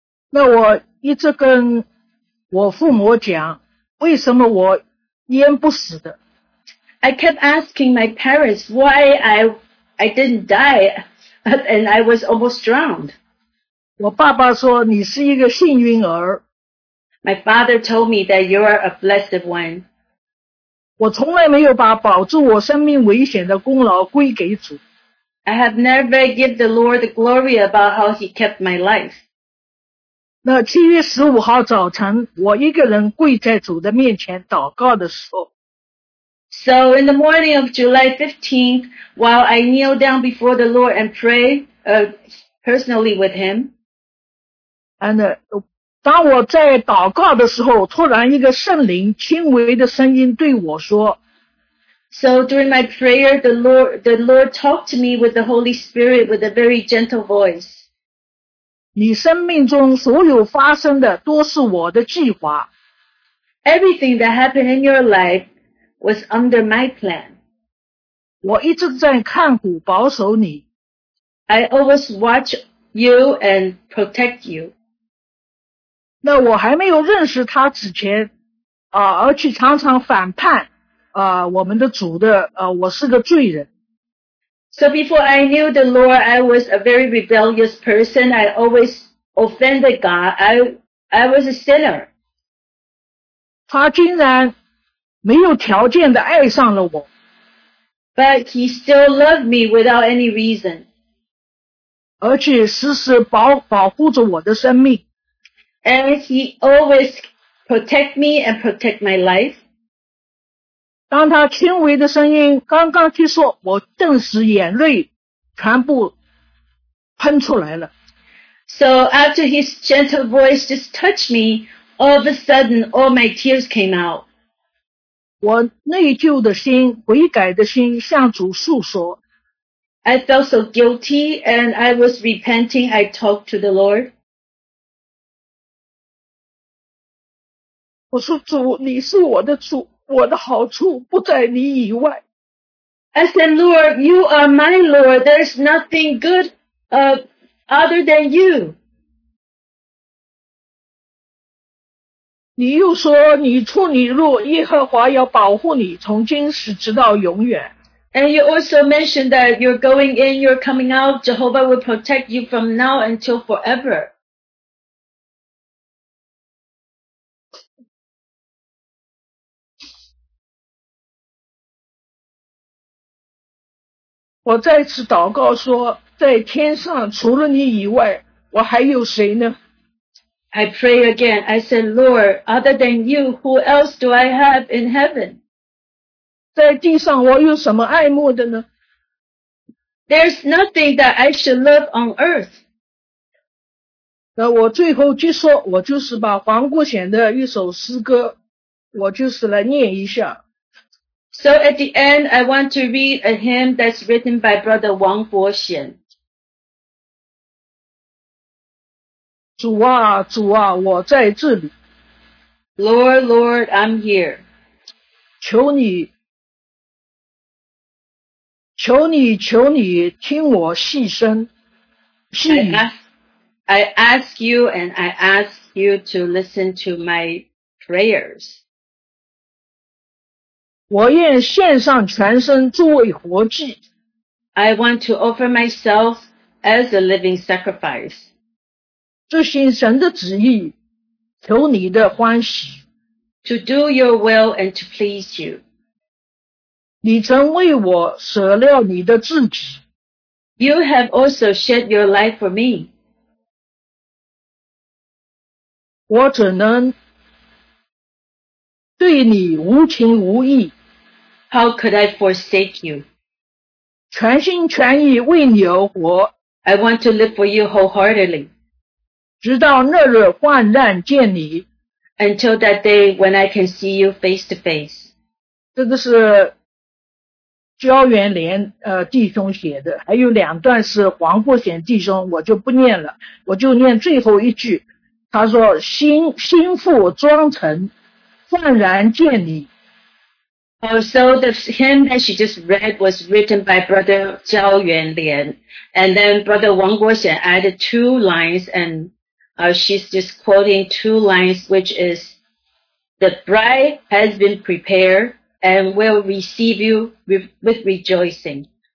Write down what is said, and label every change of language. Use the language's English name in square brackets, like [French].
[Chinese] 那我一直跟我父母讲，为什么我淹不死的？ [English] I kept asking my parents why I didn't die and I was almost drowned. [Chinese] 我爸爸说你是一个幸运儿。 [English] My father told me that you are a blessed one. [Chinese] 我从来没有把保住我生命危险的功劳归给主。 [English] I have never given the Lord the glory about how he kept my life. [Chinese] 那七月十五号早晨，我一个人跪在主的面前祷告的时候。 [English] So in the morning of July 15th, while I kneel down before the Lord and pray, personally with Him. [Chinese] And 当我在祷告的时候，突然一个圣灵轻微的声音对我说。 [English] So during my prayer, the Lord talked to me with the Holy Spirit with a very gentle voice. [Chinese] 你生命中所有发生的都是我的计划。 [English] Everything that happened in your life was under my plan. [Chinese] 我一直在看顾保守你。 [English] I always watch you and protect you. [Chinese] 那我还没有认识他之前，而且常常反叛。我们的主的我是个罪人。 [English] So before I knew the Lord, I was a very rebellious person. I always offended God. I was a sinner. [Chinese] 他竟然没有条件的爱上了我。 [English] But he still loved me without any reason. [Chinese] 而且时时保护着我的生命。 [English] And he always protect me and protect my life. [Chinese] 当他轻微的声音刚刚去说，我顿时眼泪全部喷出来了。 [English] So after his gentle voice just touched me, all of a sudden all my tears came out. [Chinese] 我内疚的心、悔改的心向主诉说。 [English] I felt so guilty and I was repenting. I talked to the Lord. [Chinese] 我说主，你是我的主。我的好处不在你以外。 [English] I said, Lord, you are my Lord. There's nothing good, other than you. [Chinese] 你又说你处女路，耶和华要保护你，从今时直到永远。 [English] And you also mentioned that you're going in, you're coming out. Jehovah will protect you from now until forever. [Chinese] 我再次祷告说，在天上除了你以外，我还有谁呢？ [English] I pray again. I said, Lord, other than you, who else do I have in heaven? [Chinese] 在地上我有什么爱慕的呢？ [English] There's nothing that I should love on earth. [Chinese] 那我最后就说，我就是把黄国显的一首诗歌，我就是来念一下。 [English] So at the end, I want to read a hymn that's written by Brother Wang Guoxian. [Chinese] 主啊，主啊，我在这里。 [English] Lord, Lord, I'm here. [Chinese] 求你听我细声细语。 [English] I ask you to listen to my prayers. [Chinese] 我愿献上全身作为活祭。 [English] I want to offer myself as a living sacrifice. [Chinese] 执行神的旨意，求你的欢喜。 [English] To do your will and to please you. [Chinese] 你曾为我舍了你的自己。 [English] You have also shed your life for me. [Chinese] 我只能对你无情无义。 [English] How could I forsake you? [Chinese] 全心全意为你而活。 [English] I want to live for you wholeheartedly. [Chinese] 直到那日患难见你。 [English] Until that day when I can see you face to face. [Chinese] 这个是焦元莲弟兄写的，还有两段是黄国显弟兄，我就不念了，我就念最后一句。他说：心腹装成，焕然见你。 [English] Oh, so the hymn that she just read was written by Brother Zhao Yuanlian. And then Brother Wang Guoxian added two lines, and she's just quoting two lines, which is, the bride has been prepared and will receive you with rejoicing.